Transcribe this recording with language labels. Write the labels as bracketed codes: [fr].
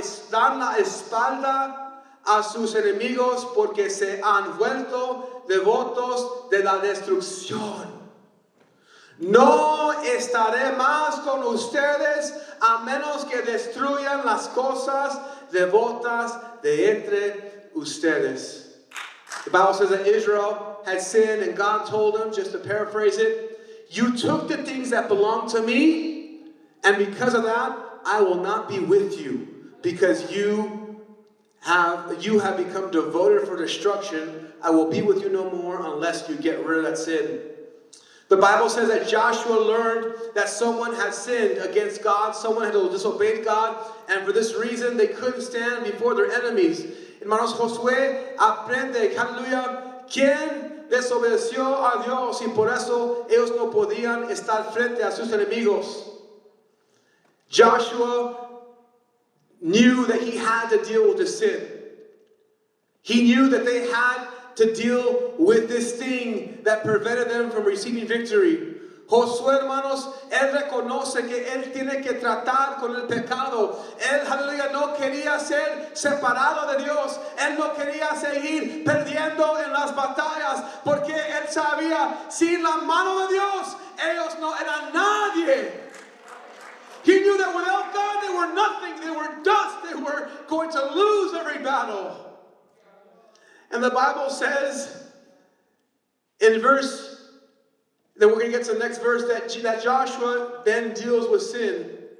[es] Dan la espalda a sus enemigos porque se han vuelto devotos de la destrucción. No estaré más con ustedes a menos que destruyan las cosas devotas de entre ustedes. [en] The Bible says that Israel had sinned, and God told them, just to paraphrase it, you took the things that belong to me, and because of that, I will not be with you, because you have become devoted for destruction. I will be with you no more unless you get rid of that sin. The Bible says that Joshua learned that someone had sinned against God, someone had disobeyed God, and for this reason they couldn't stand before their enemies. [es] Hermanos, Josué aprende, aleluya, quién desobedeció a Dios, y por eso ellos no podían estar frente a sus enemigos. [en] Joshua knew that he had to deal with the sin. He knew that they had to deal with this thing that prevented them from receiving victory. [es] Josué, hermanos, él reconoce que él tiene que tratar con el pecado. Él, aleluya, no quería ser separado de Dios. Él no quería seguir perdiendo en las batallas, porque él sabía, sin la mano de Dios, ellos no eran nadie. [en] He knew that without God, they were nothing. They were dust. They were going to lose every battle. And the Bible says in verse, then we're going to get to the next verse, that Joshua then deals with sin.